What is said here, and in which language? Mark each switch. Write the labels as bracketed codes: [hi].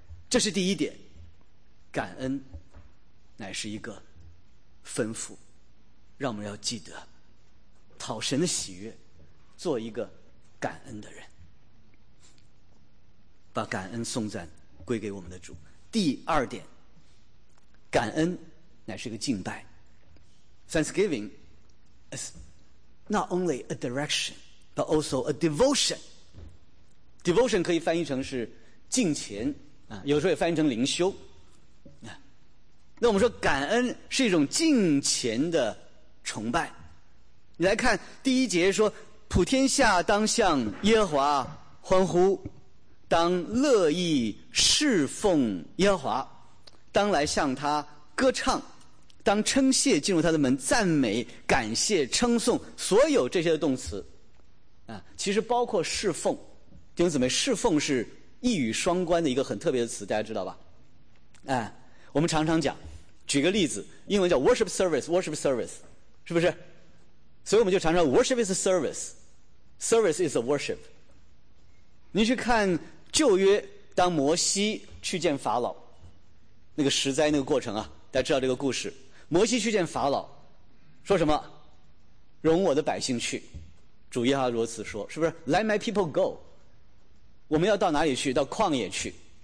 [zh] 这是第一点，感恩乃是一个吩咐，让我们要记得讨神的喜悦，做一个感恩的人，把感恩颂赞归给我们的主。第二点，感恩乃是一个敬拜。 [en] Thanksgiving is not only a direction but also a devotion。 [zh] Devotion 可以翻译成是敬虔，有时候也翻译成灵修。那我们说感恩是一种敬虔的崇拜。你来看第一节，说普天下当向耶和华欢呼，当乐意侍奉耶和华，当来向他歌唱，当称谢进入他的门，赞美感谢称颂，所有这些的动词啊，其实包括侍奉。弟兄姊妹，侍奉是一语双关的一个很特别的词，大家知道吧？哎，我们常常讲，举个例子，英文叫 [en] worship service， worship service， [zh] 是不是？所以我们就常常 [en] worship is a service， service is a worship。 [zh] 你去看旧约，当摩西去见法老，那个十灾那个过程啊，大家知道这个故事。摩西去见法老说什么？容我的百姓去，主耶和华如此说，是不是？ [en] Let my people go。 [zh] 我们要到哪里去？到旷野去。